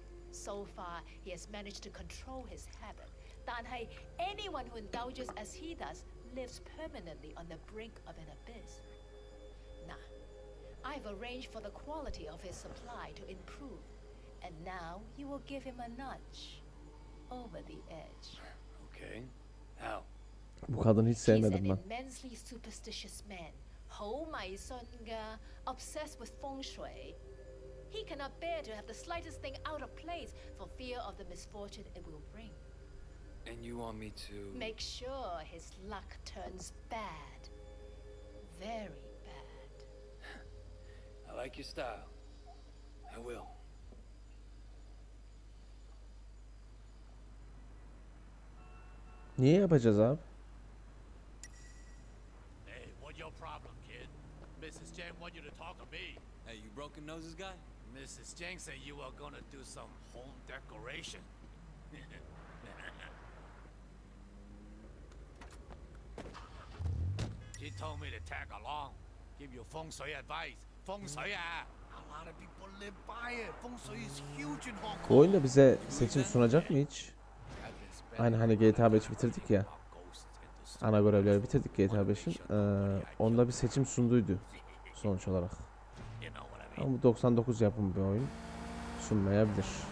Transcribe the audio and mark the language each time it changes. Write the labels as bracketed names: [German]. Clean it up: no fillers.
[English] So far, he has managed to control his habit. Dan Hai, anyone who indulges as he does, lives permanently on the brink of an abyss. Nah, I've arranged for the quality of his supply to improve. And now, you will give him a nudge over the edge. Okay, how? [Turkish] Bu kadını hiç sevmedim ben. [English] He's an immensely superstitious man. Ho Mai Sunga, obsessed with feng shui. He cannot bear to have the slightest thing out of place for fear of the misfortune it will bring. And you want me to... Make sure his luck turns bad. Very bad. I like your style. I will. [Turkish] Niye yapacağız abi? [English] Hey, what's your problem, kid? Mrs. Chen wants you to talk to me. Hey, you broken noses guy? Mrs. Cheng said you are gonna do some home decoration. She told me to tag along, give you feng shui advice. Feng shui, a lot of people live by it. Feng shui is huge in Hong Kong. [Turkish] Bu oyunda bize seçim sunacak mı hiç? Aynı hani GTA 5 bitirdik ya. Ana görevleri bitirdik GTA 5'in. Onda bir seçim sunduydu sonuç olarak. Ama bu 99 yapımı bir oyun, sunmayabilir.